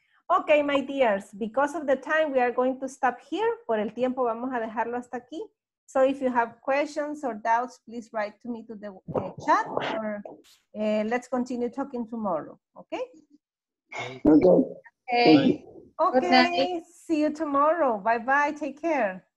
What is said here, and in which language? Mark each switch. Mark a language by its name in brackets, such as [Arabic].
[English] Ok, my dears, because of the time, we are going to stop here. [Spanish] Por el tiempo, vamos a dejarlo hasta aquí. [English] So if you have questions or doubts, please write to me to the chat. Or let's continue talking tomorrow, ok? Ok. Ok, see you tomorrow. Bye-bye, take care.